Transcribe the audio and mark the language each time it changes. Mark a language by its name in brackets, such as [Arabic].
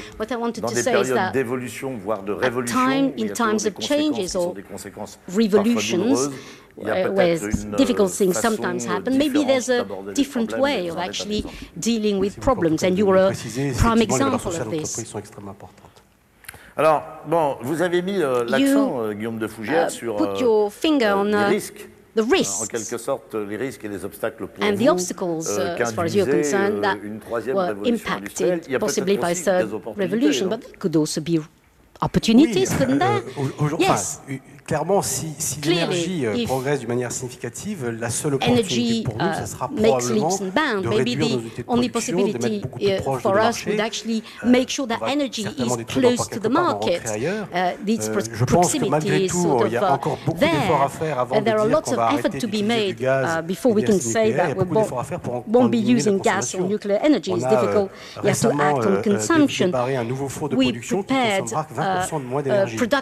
[English] What I wanted to say is that in times of changes or revolutions, where difficult things sometimes happen, maybe there's a different way of actually dealing with problems, and you were a prime example of this. [French] Alors, bon, vous avez mis l'accent, Guillaume de Fougères, sur les risques. [English] The risks, [French] en quelque sorte, les risques et les obstacles pour [English] and [French] vous, [English] the obstacles, as far as you're concerned, that were impacted possibly by a third revolution, but there could also be opportunities, [French] oui, [English] couldn't there? Yes. [French] Clairement, si l'énergie progresse d'une manière significative, la seule opportunité pour nous, ça sera probablement de réduire nos unités de production, de mettre beaucoup plus proche de marché. [English] Actually make sure that energy is close to the market. [French] Je pense que malgré tout, il y a encore beaucoup d'efforts à faire avant de dire qu'on va arrêter d'utiliser du gaz nucléaire. Il y a beaucoup d'efforts à faire pour [English] won't be using gas or nuclear energy. It's difficult. You have to act on consumption. [French] On a préparé un nouveau four de production qui consommera 20% de moins d'énergie.